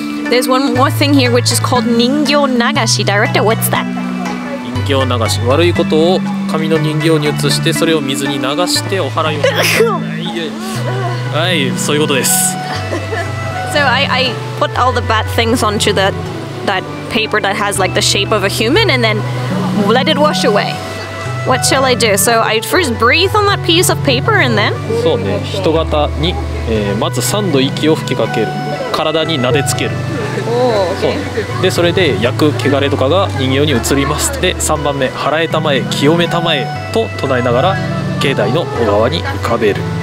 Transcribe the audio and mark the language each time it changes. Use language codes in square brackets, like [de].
[en] There's one more thing here which is called 人形流し。 Director, what's that? [ja] 人形流し、悪いことを紙の人形に移してそれを水に流してお祓いを。はい、そういうことです。 [en] So I put all the bad things onto the that paper that has like the shape of a human and then let it wash away. What shall I do? So I first breathe on that piece of paper and then. [ja] そうね、人型に、まず三度息を吹きかける、体に撫でつける。 [en] Oh, okay. [ja] でそれで厄汚れとかが人形に移ります。で3番目、払えたまえ清めたまえと唱えながら境内の小川に浮かべる。